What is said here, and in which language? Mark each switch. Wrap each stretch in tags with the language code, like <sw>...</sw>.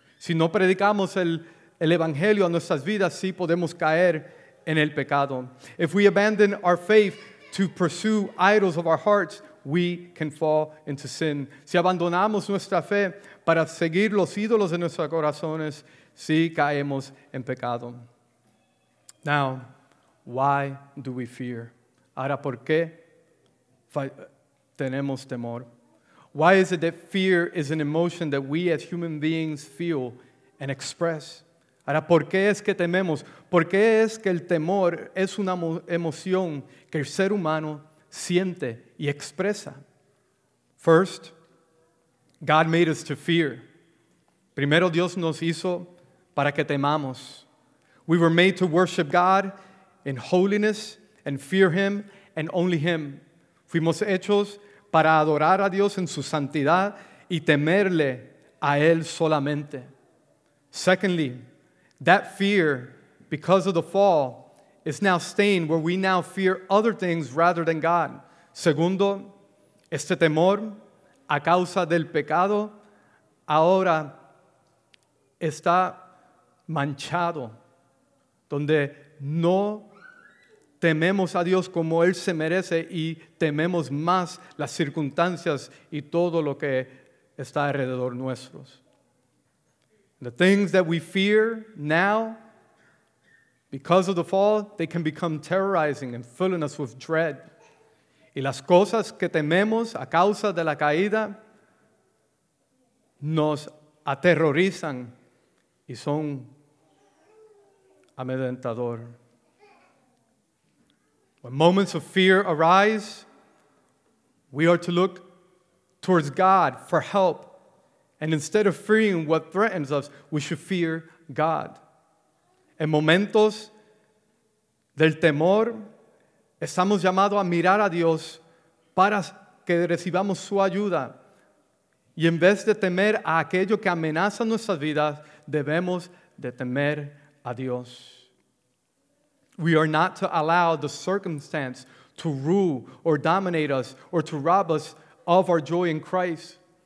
<es>Si no predicamos el Evangelio a nuestras vidas, sí podemos caer en el pecado.</es> <en>If we abandon our faith to pursue idols of our hearts, we can fall into sin.</en> <es>Si abandonamos nuestra fe para seguir los ídolos de nuestros corazones, sí caemos en pecado.</es> <en>Now, why do we fear?</en> <es>Ahora, ¿por qué tenemos temor?</es> <en>Why is it that fear is an emotion that we as human beings feel and express?</en> <es>Ahora, ¿por qué es que tememos? ¿Por qué es que el temor es una emoción que el ser humano siente y expresa?</es> <en>First, God made us to fear.</en> <es>Primero, Dios nos hizo para que temamos.</es> <en>We were made to worship God in holiness and fear Him and only Him.</en> <es>Fuimos hechos para adorar a Dios en su santidad y temerle a Él solamente.</es> <en>Secondly, that fear, because of the fall, is now stained where we now fear other things rather than God.</en> <es>Segundo, este temor a causa del pecado ahora está manchado, donde no tememos a Dios como Él se merece y tememos más las circunstancias y todo lo que está alrededor nuestros.</es> <en>The things that we fear now, because of the fall, they can become terrorizing and filling us with dread.</en> <es>Y las cosas que tememos a causa de la caída nos aterrorizan y son amedrentador.</es> <en>When moments of fear arise, we are to look towards God for help. And instead of fearing what threatens us, we should fear God.</en> <es>En momentos del temor, estamos llamados a mirar a Dios para que recibamos su ayuda. Y en vez de temer a aquello que amenaza nuestras vidas, debemos de temer a Dios.</es> <en>We are not to allow the circumstance to rule or dominate us or to rob us of our joy in Christ.</en>